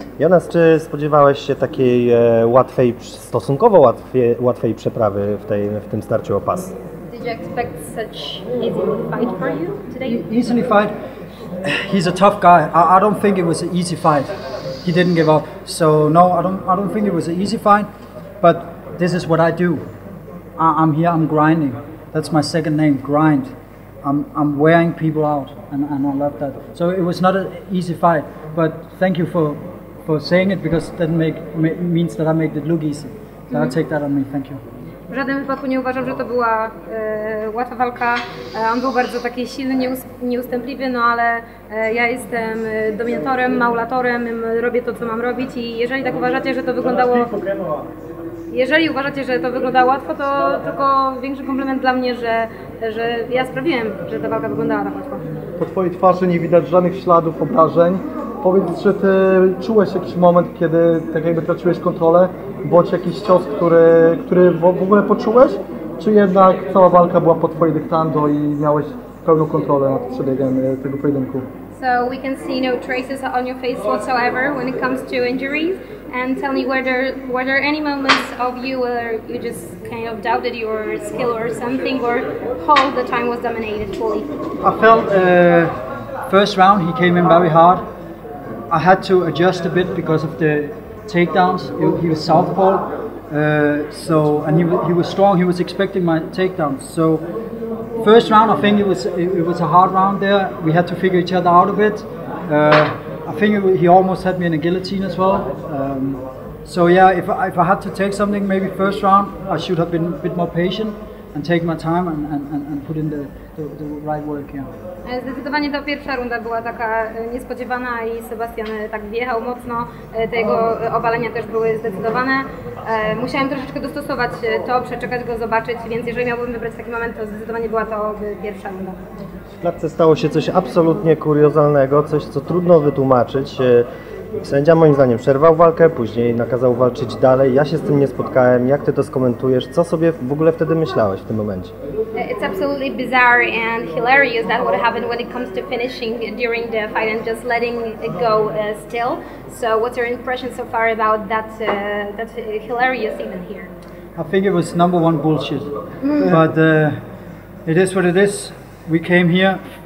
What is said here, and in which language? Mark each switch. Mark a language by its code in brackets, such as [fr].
[pl] Jonas, czy spodziewałeś się takiej stosunkowo łatwej przeprawy w tym starciu o pas? [en] Did you expect such easy fight for you today? Easily fight. He's a tough guy. I don't think it was an easy fight. He didn't give up. So no, I don't think it was an easy fight. But this is what I do. I'm here. I'm grinding. That's my second name. Grind. I'm wearing people out, and I love that. So it was not an easy fight, but thank you for saying it, because that means that I made it look easy. So I take that on me. Thank you. [pl] W żadnym wypadku nie uważam, że to była łatwa walka. On był bardzo taki silny, nieustępliwy, no ale ja jestem dominatorem, maulatorem, robię to, co mam robić, i jeżeli tak uważacie, że to wyglądało... Jeżeli uważacie, że to wyglądało łatwo, to tylko większy komplement dla mnie, że ja sprawiłem, że ta walka wyglądała tak łatwo. Po twojej twarzy nie widać żadnych śladów obrażeń. Powiedz, czy ty czułeś jakiś moment, kiedy tak jakby traciłeś kontrolę, bądź jakiś cios, który w ogóle poczułeś? Czy jednak cała walka była pod twoim dyktando i miałeś pełną kontrolę nad przebiegiem tego pojedynku? [en] So we can see no traces on your face whatsoever when it comes to injuries. And tell me, were there any moments of you where you just kind of doubted your skill or something, or how the time was dominated fully? I felt first round he came in very hard. I had to adjust a bit because of the takedowns. He was southpaw, and he was strong. He was expecting my takedowns. So first round, I think it was a hard round there. We had to figure each other out a bit. I think he almost had me in a guillotine as well. So yeah, if I had to take something, maybe first round, I should have been a bit more patient and take my time and put in the right work. Yeah. [pl] Zdecydowanie ta pierwsza runda była taka niespodziewana i Sebastian tak wjechał mocno, te jego obalenia też były zdecydowane. Musiałem troszeczkę dostosować to, przeczekać go, zobaczyć, więc jeżeli miałbym wybrać taki moment, to zdecydowanie była to pierwsza runda. W klatce stało się coś absolutnie kuriozalnego, coś co trudno wytłumaczyć. Sędzia moim zdaniem przerwał walkę, później nakazał walczyć dalej. Ja się z tym nie spotkałem. Jak ty to skomentujesz? Co sobie w ogóle wtedy myślałeś w tym momencie? [en] It's absolutely bizarre and hilarious that what happened when it comes to finishing during the fight and just letting it go still. So what's your impression so far about that that hilarious even here? I think it was number one bullshit. But it is what it is. We came here.